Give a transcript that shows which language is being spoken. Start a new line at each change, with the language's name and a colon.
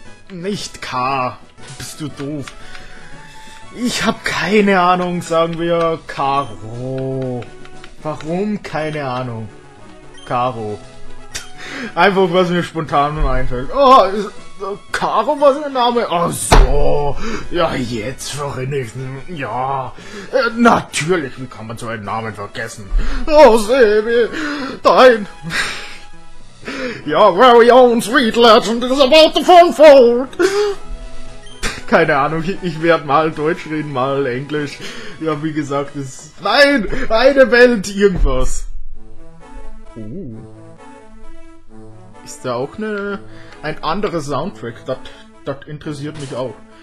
German: Nicht K. Bist du doof? Ich habe keine Ahnung, sagen wir Karo. Warum? Keine Ahnung. Karo. Einfach, was mir spontan einfällt. Oh, ist Karo war sein Name? Ach so. Ja, jetzt verrinne ich. Ja. Natürlich, wie kann man so einen Namen vergessen? Oh, Sebi. Dein.
English: Your very own sweet legend is about to unfold.
German: Keine Ahnung, ich werde mal Deutsch reden, mal Englisch. Ja, wie gesagt, es ist. Nein! Eine Welt, irgendwas. Oh. Ist da auch ein anderes Soundtrack? Das interessiert mich auch.